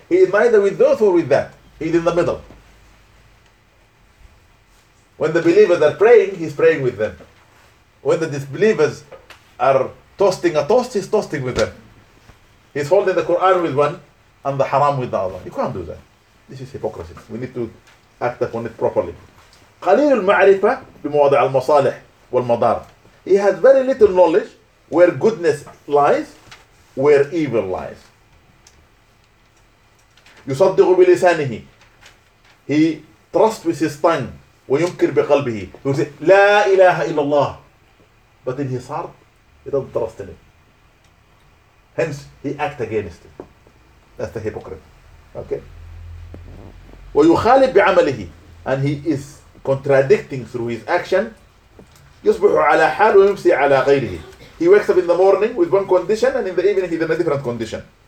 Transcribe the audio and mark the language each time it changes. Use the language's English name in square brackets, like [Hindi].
[English] He is neither with those or with that. He's in the middle. When the believers are praying, he's praying with them. When the disbelievers are toasting a toast, he's toasting with them. He's holding the Quran with one and the haram with the other. You can't do that. This is hypocrisy. We need to act upon it properly. [Arabic] قليل المعرفة بمواضع المصالح والمضار. [English] He has very little knowledge where goodness lies, where evil lies. [Arabic] يصدق بلسانه. [English] He trusts with his tongue. [Arabic] وينكر بقلبه. [English] He will say, [Arabic] لا إله إلا الله. [English] But in his heart, he doesn't trust in it. Hence, he acts against it. That's the hypocrite. Okay? [Arabic] ويخالف بعمله. [English] And he is contradicting through his action. [Arabic] يصبح على حال ويمسي على غيره. [English] He wakes up in the morning with one condition and in the evening he's in a different condition.